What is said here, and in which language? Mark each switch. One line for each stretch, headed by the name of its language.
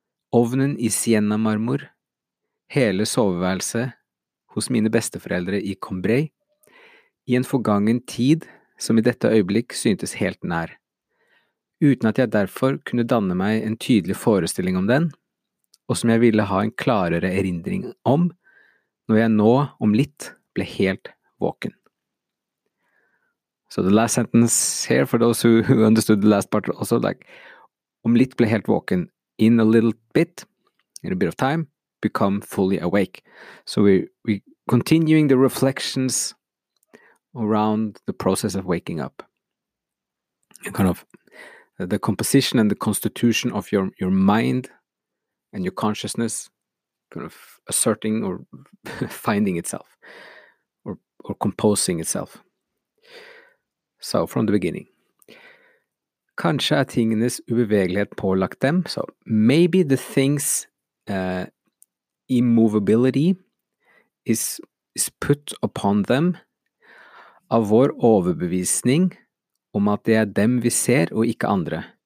Norwegian: Ovnen i sienna-marmor, hele soveværelset hos mine besteforeldre i Combray, i en forgangen tid som i dette øyeblikk syntes helt nær. Uten at jeg derfor kunne danne meg en tydelig forestilling om den, og som jeg ville ha en klarere erindring om, når jeg nå, om litt, ble helt våken.
English: So the last sentence here, for those who understood the last part also, like,
Norwegian: om litt ble helt våken,
English: in a little bit, in a bit of time, become fully awake. So we're continuing the reflections around the process of waking up. And kind of the composition and the constitution of your mind and your consciousness kind of asserting or finding itself or composing itself. So from the beginning.
Norwegian: Kanskje tingenes ubevegelighet pålagt dem.
English: So maybe the things immovability is put upon them
Norwegian: av vår overbevisning om at det dem vi ser og ikke andre.